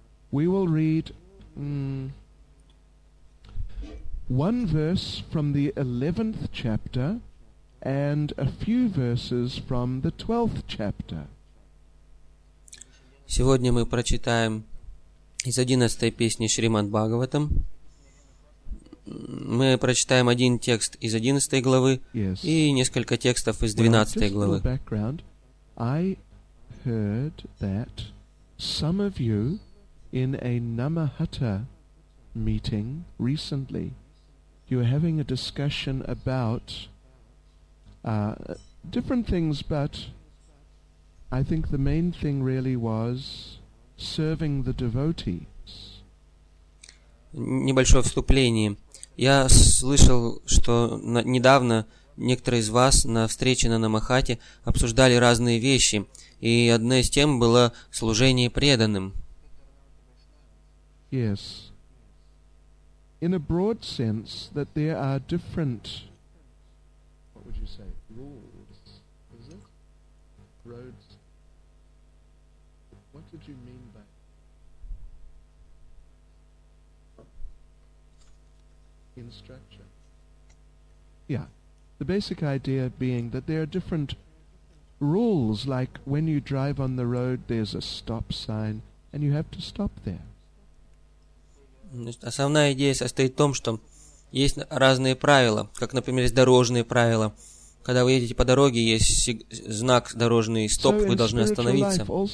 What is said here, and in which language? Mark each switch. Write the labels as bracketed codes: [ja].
[en] We will read one verse from the 11th chapter and a few verses from the 12th chapter. [ru] Сегодня мы прочитаем из 11 песни Шримад Бхагаватам. Мы прочитаем один текст из 11 главы и несколько текстов из 12 главы. [en] I heard that some of you in a Namahata meeting recently, you were having a discussion about different things, but I think the main thing really was serving the devotees. [ru] Небольшое вступление. Я слышал, что недавно некоторые из вас на встрече на Намахате обсуждали разные вещи, и одна из тем была служение преданным. [en] Yes. In a broad sense, that there are different, what would you say, rules, is it? Roads. What did you mean by? In structure. Yeah. The basic idea being that there are different rules, like when you drive on the road, there's a stop sign, and you have to stop there. [ru] Основная идея состоит в том, что есть разные правила, как, например, есть дорожные правила. Когда вы едете по дороге, есть знак дорожный, стоп, вы должны остановиться.